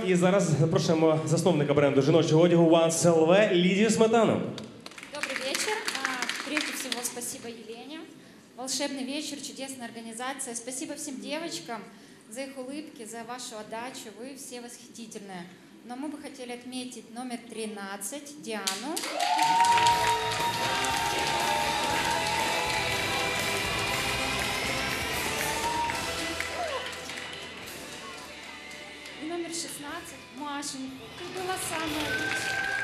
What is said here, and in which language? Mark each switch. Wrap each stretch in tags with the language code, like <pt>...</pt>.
<uk>І зараз запрошуємо засновника бренду жіночого одягу OneSLV Лідію Сметану. Добрий вечір.</uk> <ru>Прежде всего, спасибо Елене.</ru> <uk>Волшебний вечір, чудесна організація. Спасибо всім дівчатам за їх улыбки,</uk> <ru>за вашу отдачу.</ru> <uk>Ви всі восхитительні.</uk> <ru>Но мы бы хотели отметить номер 13, Диану. И номер 16, Машеньку. Это было самое лучшее.</ru>